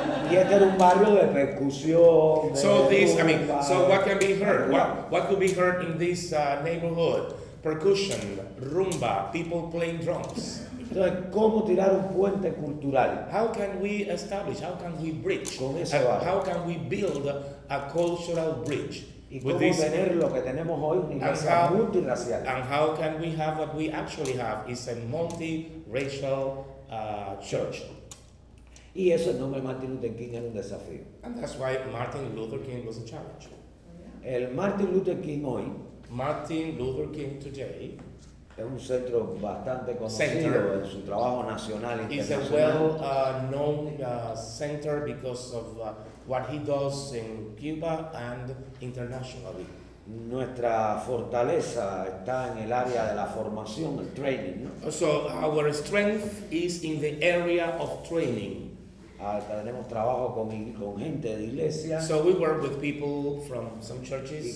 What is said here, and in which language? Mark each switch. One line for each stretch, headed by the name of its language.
Spanish: Y este era un barrio de percusión.
English: So this, I mean, so what can be heard? What could be heard in this neighborhood? Percussion, rumba, people playing drums.
Spanish: Entonces, ¿cómo tirar un puente cultural?
English: How can we establish, how can we bridge?
Spanish: Con ese barrio.
English: How can we build a cultural bridge?
Spanish: Y cómo
English: this,
Spanish: tener lo que tenemos hoy, una iglesia multiracial.
English: And how can we have what we actually have, is a multiracial church.
Spanish: Y eso el nombre Martin Luther King era un desafío.
English: And that's why Martin Luther King was a challenge.
Spanish: El Martin Luther King hoy,
English: Martin Luther King today,
Spanish: es un centro bastante conocido en su trabajo nacional e internacional.
English: Is a well-known center because of what he does in Cuba and internationally.
Spanish: Nuestra fortaleza está en el área de la formación, el training. ¿No?
English: So our strength is in the area of training.
Spanish: Tenemos trabajo con gente de iglesia.
English: So we work with people from some churches.